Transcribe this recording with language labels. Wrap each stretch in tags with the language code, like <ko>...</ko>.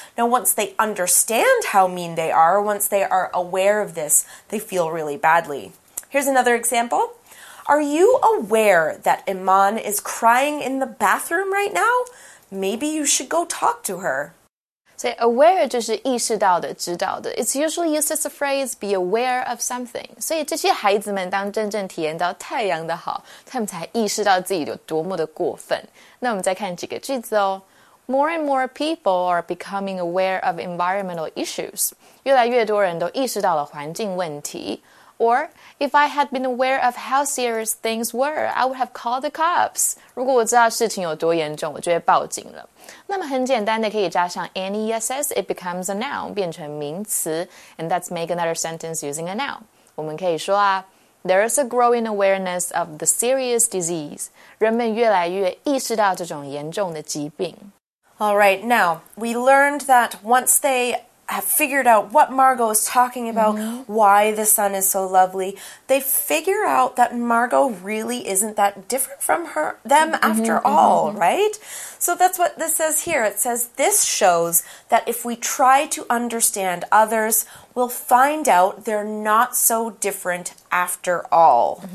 <en>Now, once they understand how mean they are, once they are aware of this, they feel really badly. Here's another example. Are you aware that Iman is crying in the bathroom right now? Maybe you should go talk to her.</en> <zh>So aware 就是意识到的、知道的。</zh> <en>It's usually used as a phrase, be aware of something.</en> <zh>所以这些孩子们当真正体验到太阳的好，他们才意识到自己有多么的过分。那我们再看几个句子哦。</zh> <en>More and more people are becoming aware of environmental issues.</en> <zh>越来越多人都意识到了环境问题。</zh> <en>Or, if I had been aware of how serious things were, I would have called the cops.</en> <zh>如果我知道事情有多严重，我就会报警了。那么很简单的可以加上 an ess,</zh> <en>it becomes a noun,</en> <zh>变成名词。</zh> <en>And let's make another sentence using a noun.</en> <zh>我们可以说啊</zh> <en>there is a growing awareness of the serious disease.</en> <zh>人们越来越意识到这种严重的疾病。</zh> <en>All right, now, we learned that once they... have figured out what Margo is talking about,、why the sun is so lovely, they figure out that Margo really isn't that different from them after all, right? So that's what this says here. It says, this shows that if we try to understand others, we'll find out they're not so different after all.、</en>